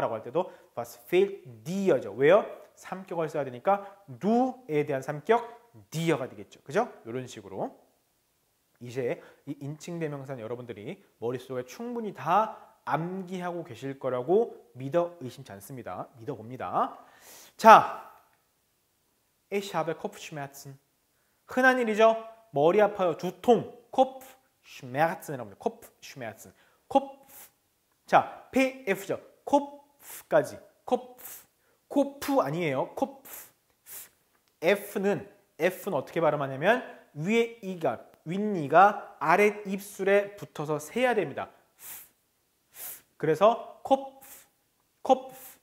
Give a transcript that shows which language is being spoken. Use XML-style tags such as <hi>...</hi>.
<ko>라고 할 때도</ko> <de>Was fehlt dir?</de> <ko>죠. 왜요? 삼격을 써야 되니까 누에 대한 삼격 디어가 되겠죠. 그죠? 이런 식으로 이제 이 인칭 대명사는 여러분들이 머릿속에 충분히 다 암기하고 계실 거라고 믿어 의심치 않습니다. 믿어 봅니다.</ko> <de>자, Ich habe Kopfschmerzen.</de> <ko>흔한 일이죠. 머리 아파요. 두통. Kopfschmerzen 여러분들. Kopfschmerzen. Kopf. 자, PF죠. Kopf까지. Kopf. 코프 아니에요. 코프. F는 어떻게 발음하냐면 위에 이가 윗니가 아래 입술에 붙어서 세야 됩니다. 그래서 코프. 코프.</ko>